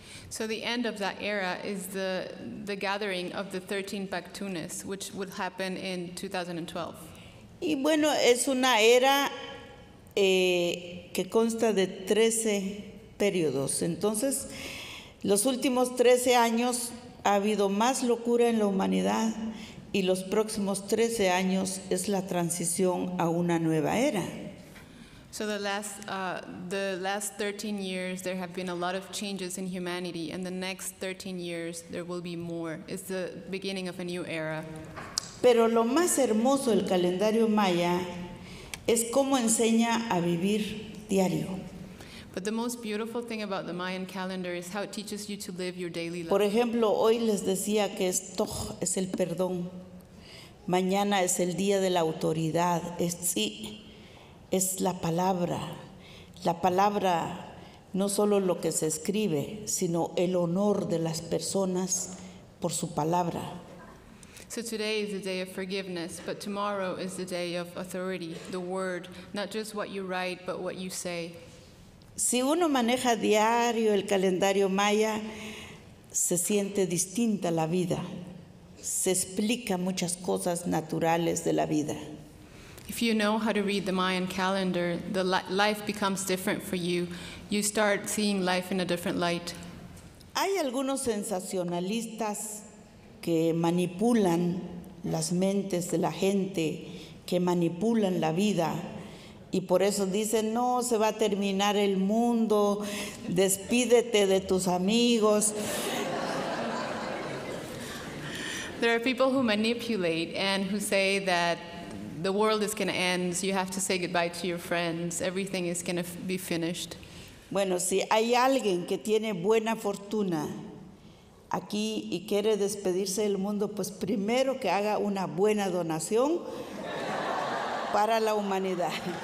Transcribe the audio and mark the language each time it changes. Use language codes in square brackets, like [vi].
[en] So the end of that era is the gathering of the 13 Pactunes, which would happen in 2012. [es] Y bueno, es una era que consta de 13 periodos. Entonces, los últimos 13 años ha habido más locura en la humanidad, y los próximos 13 años es la transición a una nueva era. [en] So the last 13 years there have been a lot of changes in humanity, and the next 13 years there will be more. It's the beginning of a new era. [es] Pero lo más hermoso del calendario maya es cómo enseña a vivir diario. [en] But the most beautiful thing about the Mayan calendar is how it teaches you to live your daily life. [es] Por ejemplo, hoy les decía que es Toj, es el perdón. Mañana es el día de la autoridad. Es sí, es la palabra. La palabra, no solo lo que se escribe, sino el honor de las personas por su palabra. [en] So today is the day of forgiveness, but tomorrow is the day of authority, the word, not just what you write, but what you say. [es] Si uno maneja diario el calendario maya, se siente distinta la vida. Se explica muchas cosas naturales de la vida. [en] If you know how to read the Mayan calendar, the life becomes different for you. You start seeing life in a different light. [es] Hay algunos sensacionalistas que manipulan las mentes de la gente, que manipulan la vida. Y por eso dicen, no, se va a terminar el mundo, despídete de tus amigos. [en] There are people who manipulate and who say that the world is going to end, so you have to say goodbye to your friends, everything is going to be finished. [es] Bueno, si hay alguien que tiene buena fortuna aquí y quiere despedirse del mundo, pues primero que haga una buena donación para la humanidad.